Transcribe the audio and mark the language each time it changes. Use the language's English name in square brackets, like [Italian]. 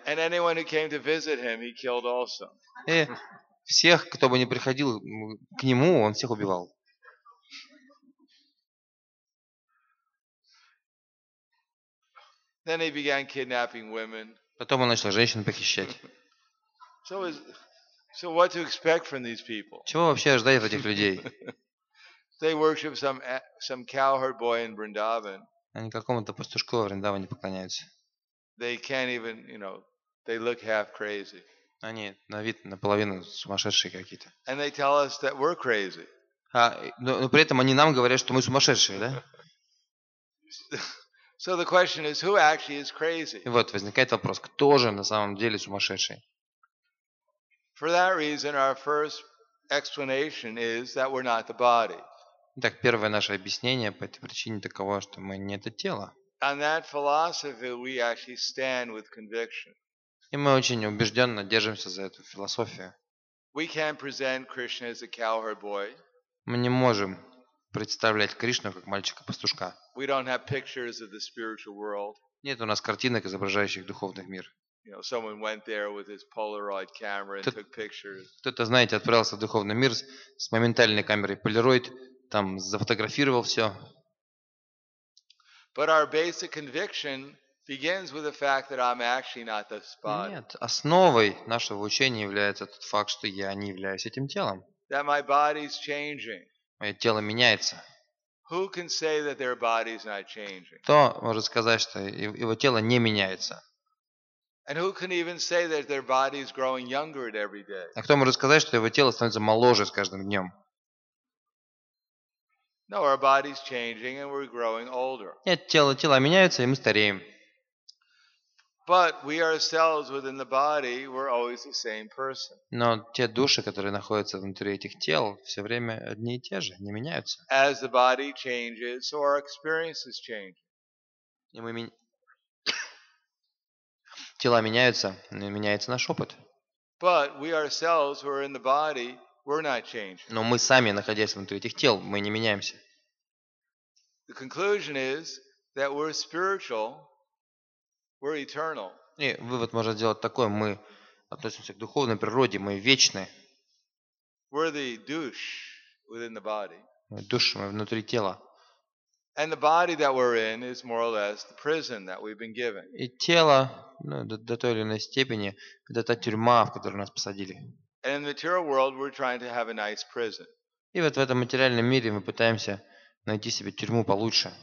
[English] And anyone who came to visit him, he killed also. [Russian] Всех, кто бы ни приходил к нему, он всех убивал. [English] Then he began kidnapping women. [Russian] Потом он начал женщин похищать. [English] So what to expect from these people? [Russian] Чего вообще ожидать от этих людей? [English] They worship some cowherd boy in Vrindavan. [Russian] Они какому-то пастушку в Вриндаване поклоняются. [English] They can't even, you know, they look half crazy. [Russian] Они на вид наполовину сумасшедшие какие-то. [English] And they tell us that we're crazy. [Russian] Но при этом они нам говорят, что мы сумасшедшие, да? [English] So the question is, who actually is crazy? [Russian] И вот возникает вопрос, кто же на самом деле сумасшедший? [English] For that reason, our first explanation is that we're not the body. [Russian] Так первое наше объяснение по этой причине таково, что мы не это тело. [English] On that philosophy, we actually stand with conviction. [Russian] И мы очень убежденно держимся за эту философию. [English] We can't present Krishna as a cowherd boy. [Russian] Мы не можем представлять Кришну как мальчика-пастушка. [English] We don't have pictures of the spiritual world. [Russian] Нет у нас картинок, изображающих духовный мир. [English] You know, someone went there with his Polaroid camera and took pictures. [Russian] Кто-то, знаете, отправился в духовный мир с моментальной камерой Polaroid, там зафотографировал все. [English] But our basic conviction begins with the fact that I'm actually not the spot. [Russian] Нет, основой нашего учения является тот факт, что я не являюсь этим телом. [English] That my body's changing. [Russian] Мое тело меняется. [English] Who can say that their body's not changing? [Russian] Кто может сказать, что его тело не меняется? [English] And who can even say that their body is growing younger at every day? [Russian] А кто может сказать, что его тело становится моложе с каждым днем? [English] No, our body's changing and we're growing older. [Russian] Нет, тела меняются и мы стареем. [English] But we ourselves within the body, we're always the same person. [Russian] Но те души, которые находятся внутри этих тел, все время одни и те же, не меняются. [English] As the body changes, so our experiences change. [Russian] Тела меняются, меняется наш опыт. [English] But we ourselves who are in the body, we're not changing. [Russian] Но мы сами, находясь внутри этих тел, мы не меняемся. [English] The conclusion is that we're spiritual. We're eternal. [Russian] И вывод можно сделать такой: мы относимся к духовной природе, мы вечны. [English] We're the douche within the body. [Russian] Мы души, мы внутри тела. [English] And the body that we're in is more or less the prison that we've been given. [Russian] И тело, ну, до той или иной степени, это та тюрьма, в которую нас посадили. [English] And in the material world, we're trying to have a nice prison. [Russian] И вот в этом материальном мире мы пытаемся найти себе тюрьму получше.